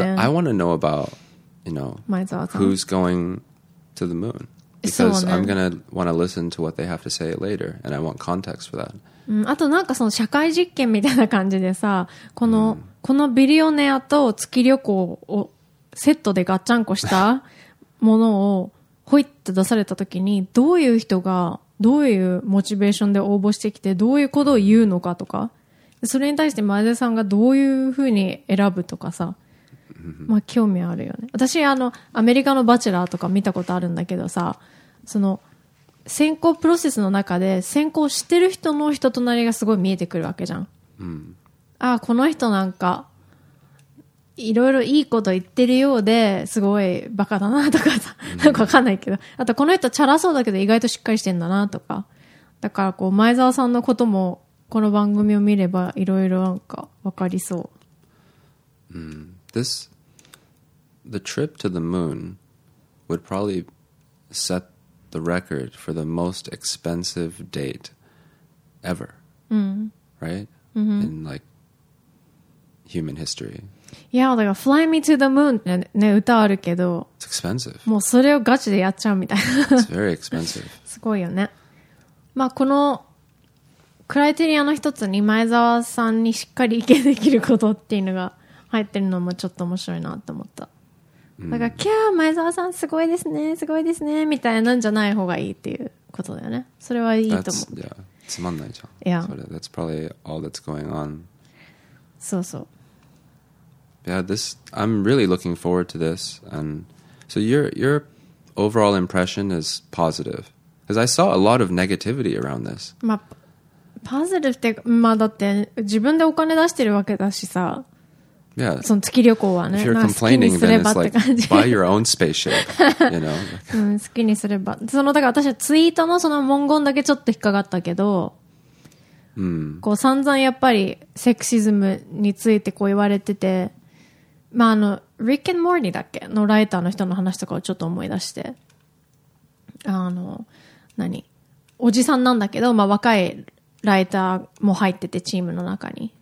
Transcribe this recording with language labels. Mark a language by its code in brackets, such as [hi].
[en] I want to know about, you know, who's going to the moon. Because I'm going to want to listen to what they have to say later, and I want context for that. [ja] あとなんかその社会実験みたいな感じでさ、この、このビリオネアと月旅行をセットでガッチャンコしたものをホイッと出されたときに、どういう人がどういうモチベーションで応募してきて、どういうことを言うのかとか、それに対して前澤さんがどういうふうに選ぶとかさ、まあ興味あるよね。私あのアメリカのバチェラーとか見たことあるんだけどさ、その選考プロセスの中で選考してる人の人となりがすごい見えてくるわけじゃん、うん、あこの人なんかいろいろいいこと言ってるようですごいバカだなとかさ、なんかわかんないけど、あとこの人チャラそうだけど意外としっかりしてんだなとか、だからこう前澤さんのこともこの番組を見ればいろいろなんか分かりそう。 [en] This the trip to the moon would probably set the record for the most expensive date ever. Right? In like human history. [ja] Yeah, だから Fly Me to the Moon ね、歌あるけど。 [en] It's expensive. [ja] もうそれをガチでやっちゃうみたいな。 [en] It's very expensive. [ja] すごいよね。まあこのクライテリアの一つに前澤さんにしっかり意見できることっていうのが入ってるのもちょっと面白いなと思った。だから、キャー、前澤さんすごいですね、すごいですね、みたいなんじゃない方がいいっていうことだよね。それはいいと思う。 Yeah. つまんないじゃん。 [en] Yeah. それ、that's probably all that's going on. [ja] そうそう。 [en] Yeah, this, I'm really looking forward to this. And so your overall impression is positive. Because I saw a lot of negativity around this. [ja] まあポジティブって、まあだって自分でお金出してるわけだしさ、 [en] Yeah. [ja] その月旅行はね。 [en] If you're complaining, then it's like, buy your own spaceship. You know? [ja] うん、好きにすれば。その、だから私はツイートのその文言だけちょっと引っかかったけど、 mm. こう散々やっぱりセクシズムについてこう言われてて、まあ、あの、Rick and Morty だっけのライターの人の話とかをちょっと思い出して、あの、何おじさんなんだけど、まあ、若いライターも入ってて、チームの中に。